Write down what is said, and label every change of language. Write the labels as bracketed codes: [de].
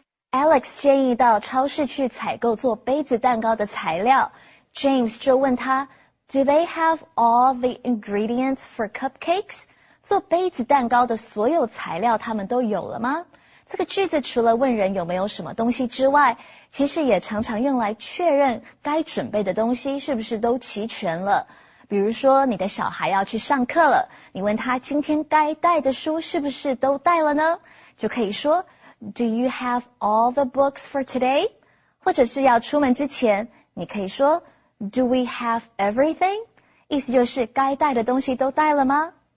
[zh] Alex 建议到超市去采购做杯子蛋糕的材料。 [en] James [zh] 就问他 [en] ,Do they have all the ingredients for cupcakes? [zh] 做杯子蛋糕的所有材料他们都有了吗？这个句子除了问人有没有什么东西之外，其实也常常用来确认该准备的东西是不是都齐全了。比如说你的小孩要去上课了，你问他今天该带的书是不是都带了呢？就可以说 [en] Do you have all the books for today? [zh] 或者是要出门之前，你可以说 [en] Do we have everything? [zh] 意思就是该带的东西都带了吗？